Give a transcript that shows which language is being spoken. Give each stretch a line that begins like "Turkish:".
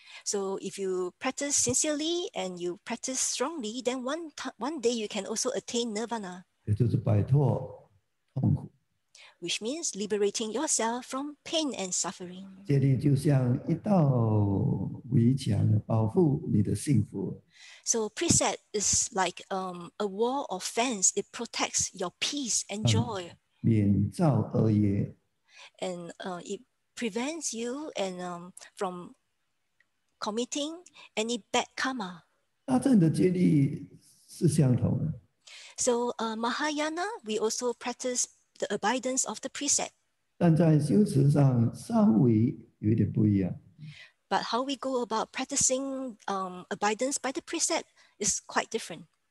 English: So if you practice sincerely and you practice strongly, then one day you can also attain nirvana.
Chinese: 也就是摆脱痛苦,
English: which means liberating yourself from pain and suffering.
Chinese: 戒律就像一道围墙保护你的幸福。
English: So precept is like a wall of fence. It protects your peace and joy.
Chinese: 免造恶业。
English: And it prevents you and from committing any bad karma.
Chinese: 大正的戒律是相同的。
English: So Mahayana, we also practice the abidance of the precept.
Chinese: 但在修持上稍微有点不一样。
English: But how we go about practicing abidance by the precept is quite different.